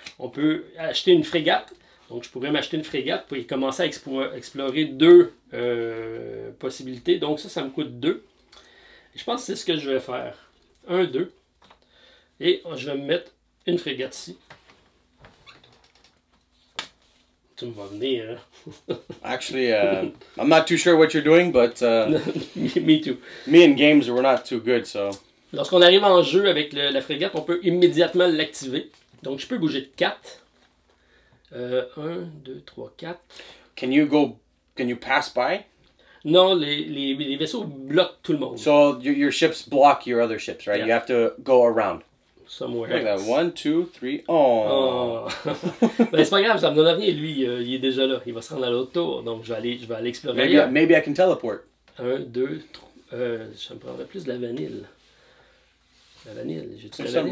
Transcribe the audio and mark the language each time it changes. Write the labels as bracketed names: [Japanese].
[French] On peut acheter une frégate. Donc, je pourrais m'acheter une frégate pour y commencer à explorer 2 possibilités. Donc, ça me coûte 2. Je pense que c'est ce que je vais faire. 1, 2. Et je vais me mettre une frégate ici. Tu me vas venir. [English] Actually, I'm not too sure what you're doing, but... me too. Me and games, we're not too good, so... [French] Lorsqu'on arrive en jeu avec la frégate, on peut immédiatement l'activer. Donc, je peux bouger de 4. 1, 2, 3, 4. [English] Can you go... Can you pass by? [French] Non, les vaisseaux bloquent tout le monde. [English] So, your ships block your other ships, right? Yeah. You have to go around. Somewhere. Like that. 1, 2, 3. Oh! [French] Ben, c'est pas grave, ça me donne rien. Lui, il est déjà là. Il va se rendre à l'autre tour. Donc, je vais aller explorer. [English] Maybe I can teleport. 1, 2, 3. [French] Je me prendrais plus de la vanille. La vanille, j'ai-tu la vanille?